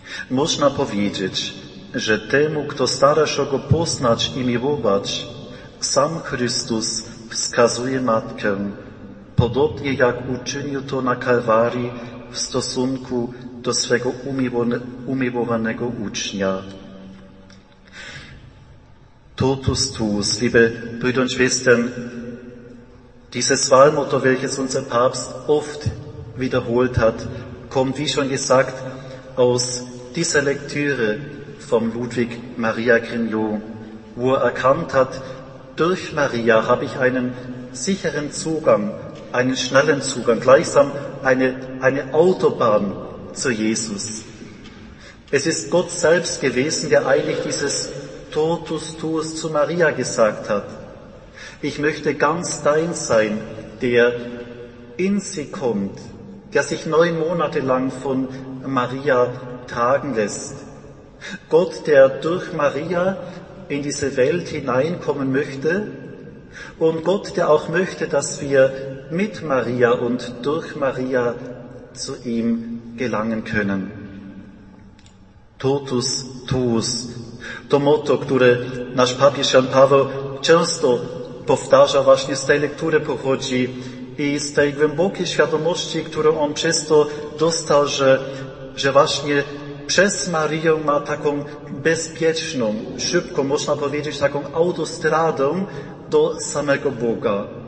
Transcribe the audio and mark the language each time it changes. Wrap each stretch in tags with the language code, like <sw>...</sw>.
<pl>Można powiedzieć, że temu, kto stara się go poznać i miłować, sam Chrystus wskazuje Matkę, podobnie jak uczynił to na Kalwarii w stosunku do swego umiłowanego ucznia.</pl> <de>Totus tuus, liebe Brüder und Schwestern, dieses Wahlmotto, welches unser Papst oft wiederholt hat, kommt, wie schon gesagt, aus dieser Lektüre von Ludwig Maria Grignot, wo er erkannt hat, durch Maria habe ich einen sicheren Zugang, einen schnellen Zugang, gleichsam eine Autobahn zu Jesus. Es ist Gott selbst gewesen, der eigentlich dieses Totus tuus zu Maria gesagt hat. Ich möchte ganz dein sein, der in sie kommt, der sich 9 Monate lang von Maria tragen lässt. Gott, der durch Maria in diese Welt hineinkommen möchte, und Gott, der auch möchte, dass wir mit Maria und durch Maria zu ihm gelangen können.</de> <la>Totus tuus.</la> <pl>To motto, które nasz papież Jan Paweł często powtarza, właśnie z tej lektury pochodzi i z tej głębokiej świadomości, którą on przez to dostał, że właśnie przez Marię ma taką bezpieczną, szybką, można powiedzieć, taką autostradę do samego Boga.</pl>